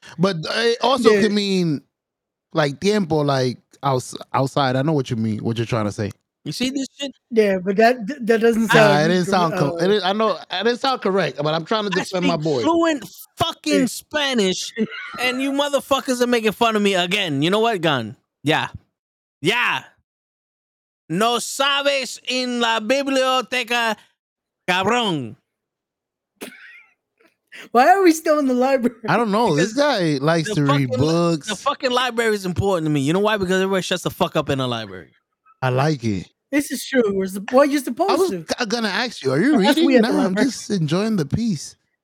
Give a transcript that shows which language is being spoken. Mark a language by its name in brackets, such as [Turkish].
[English] But it also can mean like tiempo, like outside. I know what you mean, what you're trying to say. You see this shit? Yeah, but that doesn't sound. It didn't sound correct, but I'm trying to defend my boy. Fluent fucking Spanish, and you motherfuckers are making fun of me again. You know what, Gun? Yeah. Yeah. [Spanish] No sabes en la biblioteca, cabrón. [English] Why are we still in the library? I don't know. Because this guy likes to read books. The fucking library is important to me. You know why? Because everybody shuts the fuck up in the library. I like it. This is true. Where's the boy you're supposed to? I was going to ask you, are you reading? No, I'm just enjoying the piece.